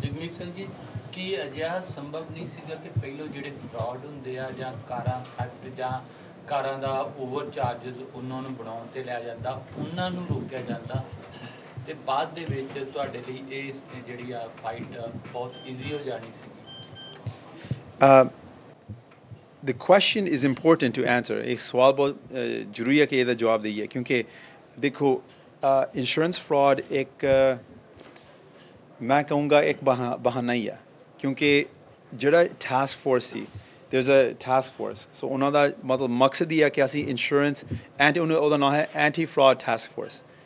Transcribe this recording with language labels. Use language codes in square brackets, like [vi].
[pa] ਜਗਮੀਤ ਸਿੰਘ ਜੀ ਕੀ ਅਜਿਹਾ ਸੰਭਵ ਨਹੀਂ ਸੀਗਾ ਕਿ ਪਹਿਲਾਂ ਜਿਹੜੇ ਫਰੋਡ ਹੁੰਦੇ ਆ ਜਾਂ ਕਾਰਾਂ ਥੈਫਟ ਜਾਂ ਕਾਰਾਂ ਦਾ ਓਵਰ ਚਾਰਜਸ ਉਹਨਾਂ ਨੂੰ ਬਣਾਉਣ 'ਤੇ ਲਿਆ ਜਾਂਦਾ ਉਹਨਾਂ ਨੂੰ ਰੋਕਿਆ ਜਾਂਦਾ ਅਤੇ ਬਾਅਦ ਦੇ ਵਿੱਚ ਤੁਹਾਡੇ ਲਈ ਇਹ ਜਿਹੜੀ ਆ ਫਾਈਟ ਬਹੁਤ ਈਜ਼ੀ ਹੋ ਜਾਣੀ ਸੀਗੀ [en] The question is important to answer. [pa] ਇਹ ਸਵਾਲ ਬਹੁਤ ਜ਼ਰੂਰੀ ਹੈ ਕਿ ਇਹਦਾ ਜਵਾਬ ਦੇਈਏ ਕਿਉਂਕਿ ਦੇਖੋ ਇੰਸ਼ੋਰੈਂਸ ਫਰੋਡ ਇੱਕ ਮੈਂ ਕਹੂੰਗਾ ਇੱਕ ਬਹਾਨਾ ਹੀ ਆ ਕਿਉਂਕਿ ਜਿਹੜਾ task force ਸੀ [en] there is a task force [pa] ਸੋ ਉਹਨਾਂ ਦਾ ਮਤਲਬ ਮਕਸਦ ਹੀ ਆ ਕਿ ਅਸੀਂ ਇੰਸ਼ੋਰੈਂਸ ਐਂਟੀ ਉਹਨੂੰ ਉਹਦਾ ਨਾਂ ਹੈ ਐਂਟੀ ਫਰੋਡ ਟਾਸਕ ਫੋਰਸ